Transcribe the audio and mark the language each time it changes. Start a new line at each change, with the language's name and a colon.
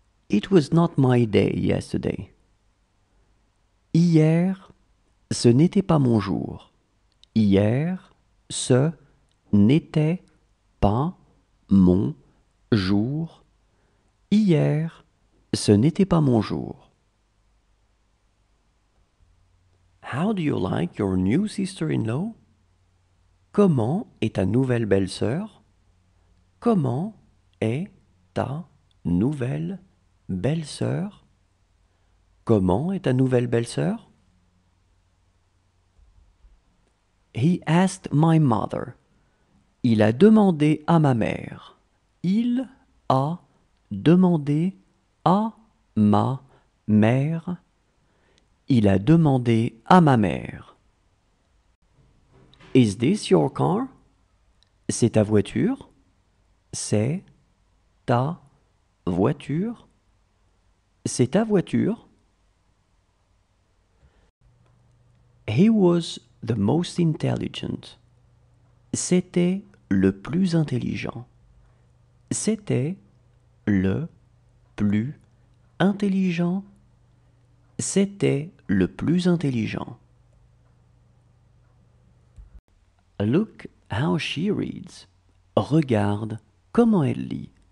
English: It was not my day yesterday.
French: Hier, ce n'était pas mon jour. Hier, ce n'était pas mon jour. Hier, ce n'était pas mon jour.
English: How do you like your new sister-in-law?
French: Comment est ta nouvelle belle-sœur? Comment est ta nouvelle belle-sœur? Comment est ta nouvelle belle-sœur?
English: He asked my mother.
French: Il a demandé à ma mère. Il a demandé à ma mère. Il a demandé à ma mère.
English: Is this your car?
French: C'est ta voiture? C'est ta voiture? C'est ta voiture?
English: He was the most intelligent.
French: C'était le plus intelligent. C'était le plus intelligent. C'était le plus intelligent.
English: Look how she reads.
French: Regarde comment elle lit.